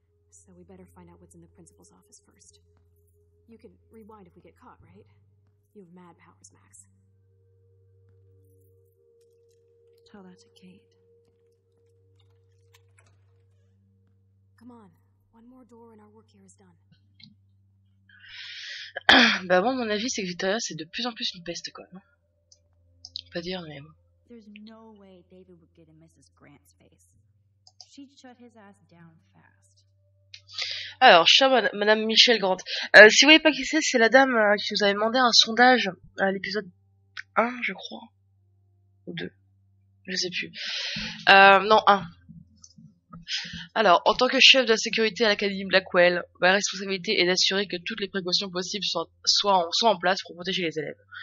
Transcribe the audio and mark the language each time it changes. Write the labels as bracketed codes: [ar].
[en] So we better find out what's in the principal's office first. You can rewind if we get caught, right? You have mad powers, Max. Tell that to Kate. Come on. One more door and our work here is done. [fr] Bah bon, mon avis, c'est que Victoria, c'est de plus en plus une peste, quoi. Non, pas dire, mais bon. [en] There's no way David would get in Mrs. Grant's face. She'd shut his ass down fast. [fr] Alors, chère madame Michelle Grant, si vous voyez pas qui c'est la dame qui nous avait demandé un sondage à l'épisode 1, je crois. Ou 2. Je sais plus. Non, 1. Alors, en tant que chef de la sécurité à l'Académie Blackwell, ma responsabilité est d'assurer que toutes les précautions possibles soient en place pour protéger les élèves.